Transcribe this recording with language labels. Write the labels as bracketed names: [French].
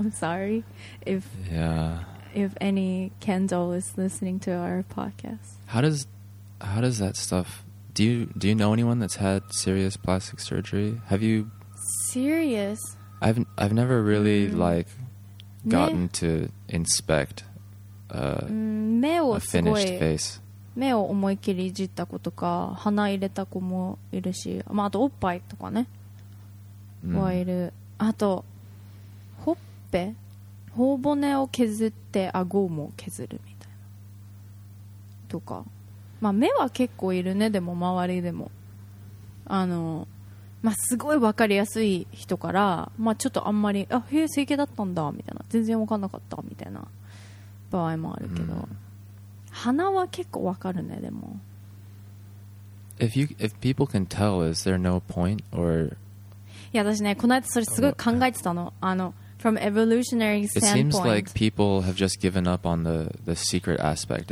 [English] I'm sorry if if any Kendall is listening to our podcast. How does that stuff, do you know anyone that's had serious plastic surgery? Have you? Serious? I've never really like gotten to inspect a finished face. [Japanese] 目を思い切りいじった子とか鼻入れた子もいるし、まあ、あとおっぱいとかね、はいる。あとほっぺ、頬骨を削って顎も削るみたいなとか、まあ、目は結構いるね。でも周りでもまあ、すごい分かりやすい人から、まあ、ちょっとあんまりあ、へえ整形だったんだみたいな、全然分かんなかったみたいな場合もあるけど、鼻は結構わかるね。でも [English] If people can tell, is there no point? Or [Japanese] いや私ね、この間それすごい考えてたの。 [English] From evolutionary standpoint, it seems like people have just given up on the secret aspect.